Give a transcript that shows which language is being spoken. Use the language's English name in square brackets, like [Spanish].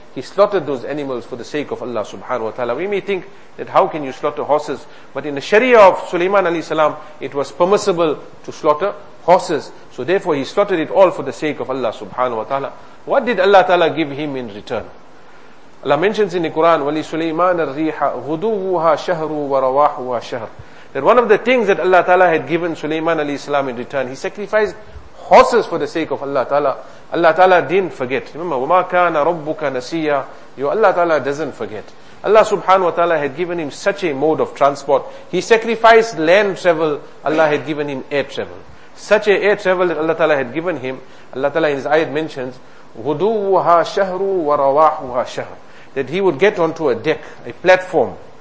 [English] He slaughtered those animals for the sake of Allah subhanahu wa ta'ala. We may think that how can you slaughter horses? But in the sharia of Sulaiman alayhi salam, it was permissible to slaughter horses. So therefore he slaughtered it all for the sake of Allah subhanahu wa ta'ala. What did Allah ta'ala give him in return? Allah mentions in the Quran, [Arabic] وَلِسُلَيْمَانَ الرِّيحَ غُدُوُّهَا شَهْرُ وَرَوَاحُهَا شَهْرُ. [English] That one of the things that Allah ta'ala had given Sulaiman alayhi salam in return, he sacrificed horses for the sake of Allah ta'ala. Allah ta'ala didn't forget. [Arabic] Remember, وَمَا كَانَ رَبُّكَ نَسِيًّا. [English] Your Allah ta'ala doesn't forget. Allah subhanahu wa ta'ala had given him such a mode of transport. He sacrificed land travel. Allah had given him air travel. such a air travel that Allah Ta'ala had given him. Allah Ta'ala in his ayat mentions, [Arabic] غُدُوُّهَا شَهْرُ وَرَوَاحُهَا شَهْرُ, [English] that he would get onto a deck, a platform.